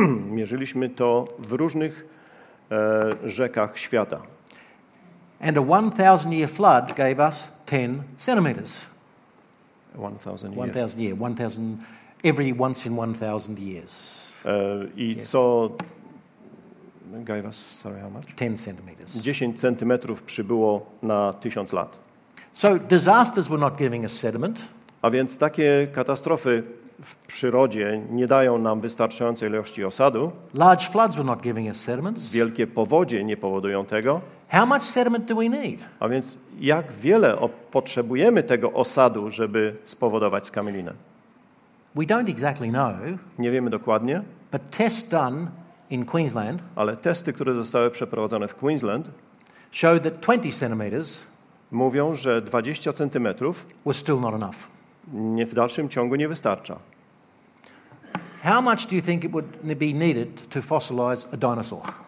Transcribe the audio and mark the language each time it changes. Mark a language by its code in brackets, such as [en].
[pl] Mierzyliśmy to w różnych rzekach świata. [en] And a 1000 year flood gave us 10 centimeters. 1000 every once in 1000 years. Co gave us, sorry, how much? 10 centimeters. [pl] 10 centymetrów przybyło na 1000 lat. [en] So disasters were not giving us sediment. [pl] A więc takie katastrofy w przyrodzie nie dają nam wystarczającej ilości osadu. [en] Large floods were not giving us sediments. [pl] Wielkie powodzie nie powodują tego. [en] How much sediment do we need? [pl] A więc jak wiele potrzebujemy tego osadu, żeby spowodować skamielinę? [en] We don't exactly know. [pl] Nie wiemy dokładnie. [en] But tests done in Queensland. [pl] Ale testy, które zostały przeprowadzone w Queensland, [en] show that 20 centimeters. [pl] Mówią, że 20 centymetrów [en] was still not enough. [pl] Nie, w dalszym ciągu nie wystarcza. [en] How much do you think it would be needed to fossilize a dinosaur?